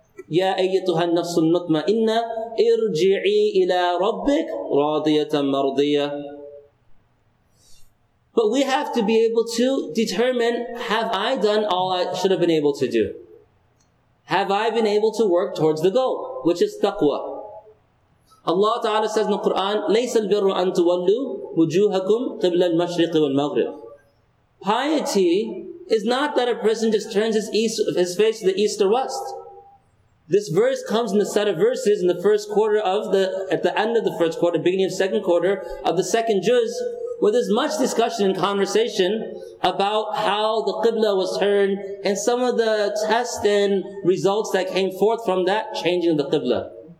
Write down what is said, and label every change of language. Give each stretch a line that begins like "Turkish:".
Arabic: يَا أَيَّتُهَا النَّفْسُ الْمُطْمَئِنَّةُ إِرْجِعِي إِلَىٰ رَبِّكَ رَاضِيَةً مَرْضِيَةً.
English: But we have to be able to determine, have I done all I should have been able to do? Have I been able to work towards the goal, which is taqwa? Allah Ta'ala says in the Quran,
Arabic: لَيْسَ الْبِرُّ أَن تُوَلُّوا وُجُوهَكُمْ قِبْلَ الْمَشْرِقِ وَالْمَغْرِبِ.
English: Piety is not that a person just turns his face to the east or west. This verse comes in the set of verses in the first quarter of the, at the end of the first quarter, beginning of the second quarter of the second juz, where there's much discussion and conversation about how the Qibla was turned and some of the tests and results that came forth from that changing of the Qibla.